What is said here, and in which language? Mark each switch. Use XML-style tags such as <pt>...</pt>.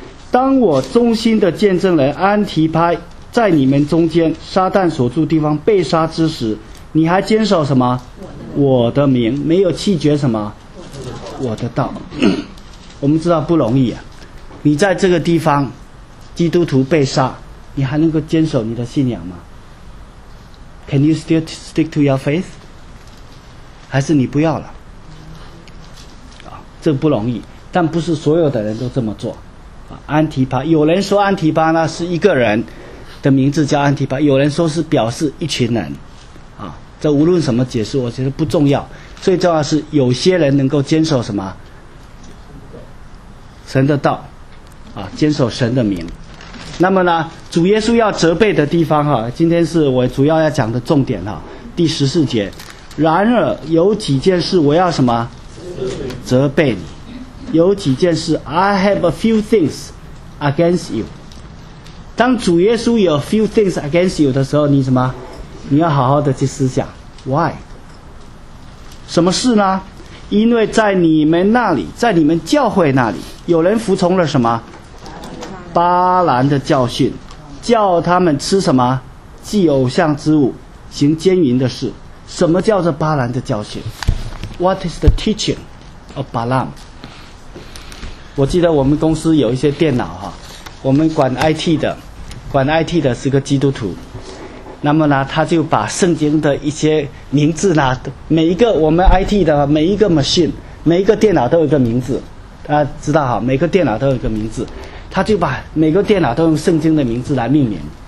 <zh>当我忠心的见证人安提帕在你们中间撒旦所住地方被杀之时，你还坚守什么我的名，没有弃绝什么我的道。我们知道不容易啊，你在这个地方基督徒被杀，你还能够坚守你的信仰吗？</zh> <en>Can you still stick to your faith?</en> <zh>还是你不要了啊？这不容易，但不是所有的人都这么做啊。安提帕，有人说安提帕呢是一个人的名字叫安提帕，有人说是表示一群人啊。这无论什么解释，我觉得不重要，最重要是有些人能够坚守什么神的道啊，坚守神的名。那么呢，主耶稣要责备的地方哈，今天是我主要要讲的重点哈，第十四节。然而有几件事我要什么责备你，有几件事</zh> <en>I have a few things against you。</en> <zh>当主耶稣有</zh> <en>few things against you</en> <zh>的时候，你什么？你要好好的去思想 why， 什么事呢？因为在你们那里，在你们教会那里有人服从了什么巴兰的教训，叫他们吃什么祭偶像之物，行奸淫的事。什么叫做巴兰的教训？</zh> <en>What is the teaching of Balaam？</en> <zh>我记得我们公司有一些电脑哈，我们管 IT 的是个基督徒，那么呢，他就把圣经的一些名字呢，每一个我们 IT 的每一个 machine， 每一个电脑都有一个名字，大家知道哈，每个电脑都有一个名字，他就把每个电脑都用圣经的名字来命名。</zh>